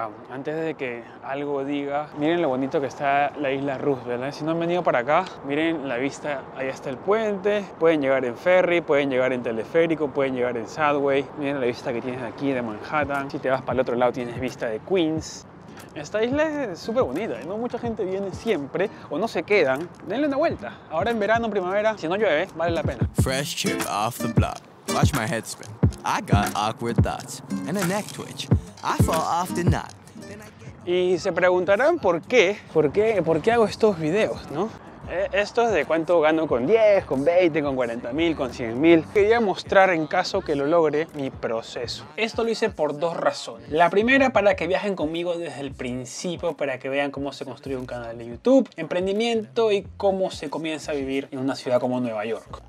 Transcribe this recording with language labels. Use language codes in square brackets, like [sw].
[es] Antes de que algo diga, miren lo bonito que está la isla Roosevelt, ¿eh? Si no han venido para acá, miren la vista, ahí está el puente. Pueden llegar en ferry, pueden llegar en teleférico, pueden llegar en subway. Miren la vista que tienes aquí de Manhattan. Si te vas para el otro lado tienes vista de Queens. Esta isla es súper bonita, ¿eh? No mucha gente viene siempre o no se quedan. Denle una vuelta. Ahora en verano, primavera, si no llueve, vale la pena. [en] Fresh chip off the block. Watch my head spin. I got awkward thoughts and a neck twitch. I fall off the knot. [es] Y se preguntarán por qué hago estos videos, ¿no? Esto es de cuánto gano con 10, con 20, con 40 mil, con 100 mil. Quería mostrar, en caso que lo logre, mi proceso. Esto lo hice por dos razones. La primera, para que viajen conmigo desde el principio, para que vean cómo se construye un canal de YouTube, emprendimiento y cómo se comienza a vivir en una ciudad como Nueva York.